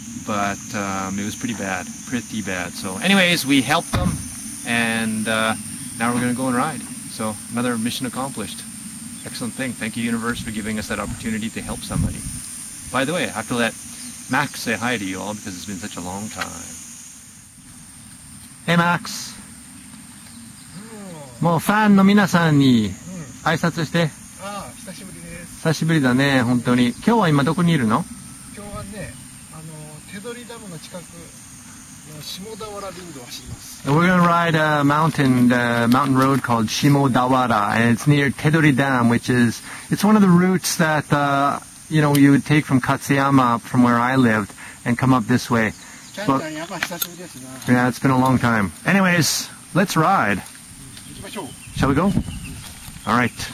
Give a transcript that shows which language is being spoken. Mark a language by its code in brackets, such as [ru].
[en] It was pretty bad, pretty bad. So anyways, we helped him, and now we're gonna go and ride. So another mission accomplished. Excellent thing. Thank you, universe, for giving us that opportunity to help somebody. By the way, I have to let Max say hi to you all, because it's been such a long time. Hey Max. [ja] もうファンの皆さんに挨拶して。ああ、久しぶりです。久しぶりだね、本当に。今日は今どこにいるの？今日はね、手取りダムの近くの下田原林道を走ります。 [en] We're gonna ride a mountain, the mountain road called Shimodawara, and it's near Tedori Dam, which is, it's one of the routes that, you know, you would take from Katsuyama, from where I lived, and come up this way. But, yeah, it's been a long time. Anyways, let's ride. Shall we go? All right.